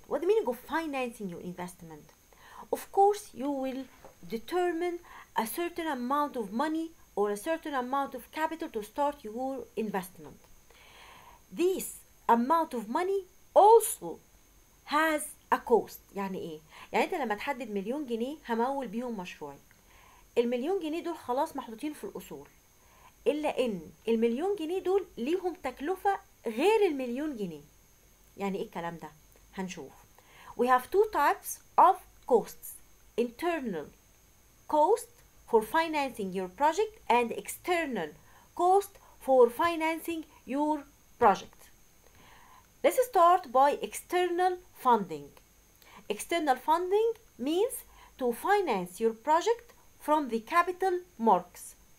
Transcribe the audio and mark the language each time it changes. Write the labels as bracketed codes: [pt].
[en] What the meaning of financing your investment? Of course, you will determine a certain amount of money or a certain amount of capital to start your investment. This amount of money also has a cost. [ar] يعني ايه؟ يعني انت لما تحدد مليون جنيه همول بيهم مشروعي. المليون جنيه دول خلاص محطوطين في الاصول. الا ان المليون جنيه دول ليهم تكلفة غير المليون جنيه. يعني ايه الكلام ده؟ هنشوف. [en] We have two types of costs. Internal cost for financing your project and external cost for financing your project. Let's start by external funding. External funding means to finance your project from the capital markets.